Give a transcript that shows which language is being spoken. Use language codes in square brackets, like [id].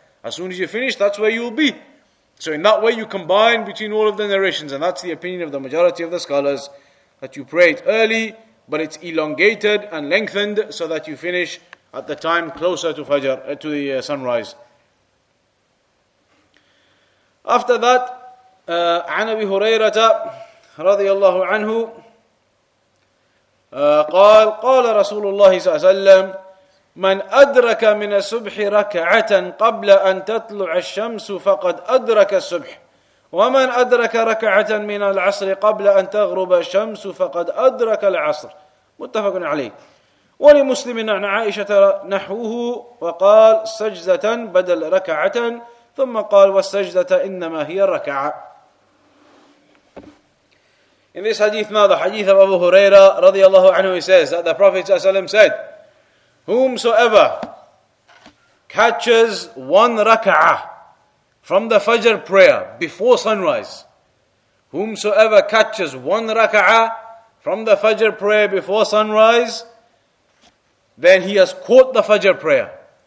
[en] As soon as you finish, that's where you will be. So in that way, you combine between all of the narrations, and that's the opinion of the majority of the scholars, that you pray it early, but it's elongated and lengthened so that you finish at the time closer to Fajr, to the sunrise. [ar] After that, عن أبي هريرة رضي الله عنه قال قال رسول الله صلى الله عليه وسلم من أدرك من الصبح ركعة قبل أن تطلع الشمس فقد أدرك الصبح ومن أدرك ركعة من العصر قبل أن تغرب الشمس فقد أدرك العصر. متفق عليه. ولمسلم عن عائشة نحوه وقال سجدة بدل ركعة ثم قال والسجدة إنما هي الركعة. [en] In this hadith, now the hadith of Abu Huraira [ar] رضي الله عنه, [en] he says that the Prophet [ar] صلى الله عليه وسلم [en] said, whomsoever catches one raka'ah from the Fajr prayer before sunrise, whomsoever catches one raka'ah from the Fajr prayer before sunrise, then he has caught the Fajr prayer.